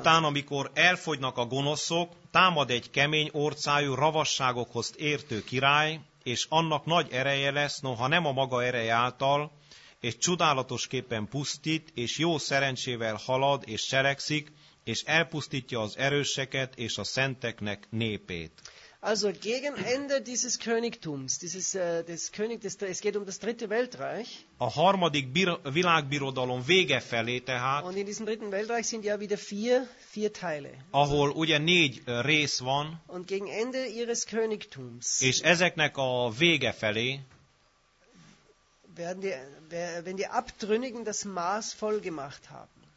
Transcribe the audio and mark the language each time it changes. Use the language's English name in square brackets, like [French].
[Hungarian] után, amikor elfogynak a gonoszok, támad egy kemény orcájú ravasságokhoz értő király, és annak nagy ereje lesz, noha nem a maga ereje által, és csodálatos képen pusztít, és jó szerencsével halad, és cselekszik, és elpusztítja az erőseket és a szenteknek népét. [German] Also gegen Ende dieses Königtums, es geht um das dritte Weltreich. [Hungarian] A harmadik világbirodalom vége felé tehát. [German] Und in diesem dritten Weltreich sind ja wieder vier Teile. [Hungarian] Ahol ugye négy rész van. [German] Und gegen Ende ihres Königtums. [Hungarian] És ezeknek a vége felé. [German] Wenn die Abtrünnigen das Maß voll gemacht haben.